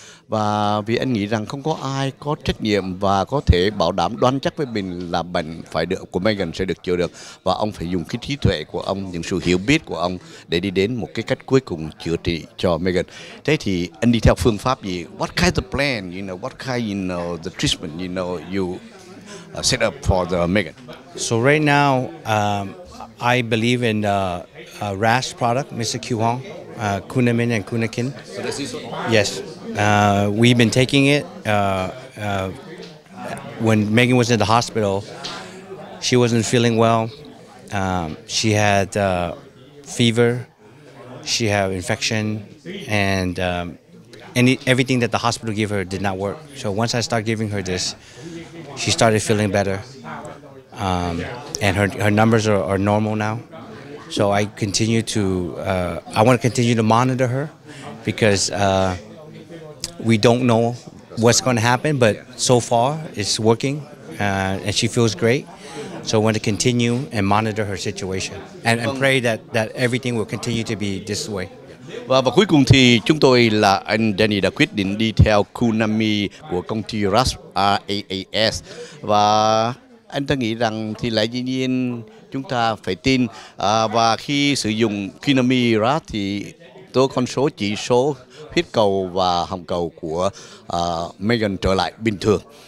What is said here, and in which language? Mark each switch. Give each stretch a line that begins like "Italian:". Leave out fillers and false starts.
Vietnamese: Và vì anh nghĩ rằng không có ai có trách nhiệm và có thể bảo đảm đoán chắc với mình là bệnh phải được của Megan sẽ được chữa được. Và ông phải dùng cái trí tuệ của ông, những sự hiểu biết của ông để đi đến một cái cách cuối cùng chữa trị cho Megan. Thế thì anh đi theo phương pháp gì?
English: What kind of plan, you know, what kind, you know, the treatment, you know, you set up for the Megan? So right now, I believe in a RAS product, Mr. Q Hong, Kunamin and Kunakin. Yes. We've been taking it when Megan was in the hospital. She wasn't feeling well. She had fever. She had infection, and everything that the hospital gave her did not work. So once I started giving her this, she started feeling better, and her numbers are normal now. So I continue to I want to continue to monitor her, because we don't know what's going to happen, but so far it's working, and she feels great. So I want to continue and monitor her situation and pray that everything will continue to be this way.
Vietnamese: Và cuối cùng thì chúng tôi là anh Danny đã quyết định đi theo Kunami của công ty RAS, và anh ta nghĩ rằng thì lại dĩ nhiên chúng ta phải tin. Và khi sử dụng Kinamira thì tôi con số chỉ số huyết cầu và hồng cầu của Megan trở lại bình thường.